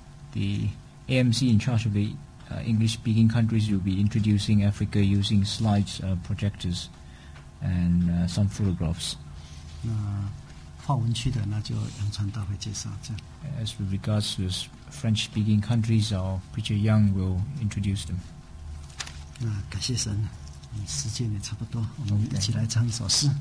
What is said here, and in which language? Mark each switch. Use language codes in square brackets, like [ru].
[en] The AMC in charge of the English-speaking countries will be introducing Africa using slides, projectors, and some photographs. [zh] 那华文区的那就杨传道会介绍这样。As [en] with regards to French-speaking countries, our preacher Yang will introduce them. [zh] 那感谢神，时间也差不多，我们一起来唱一首诗。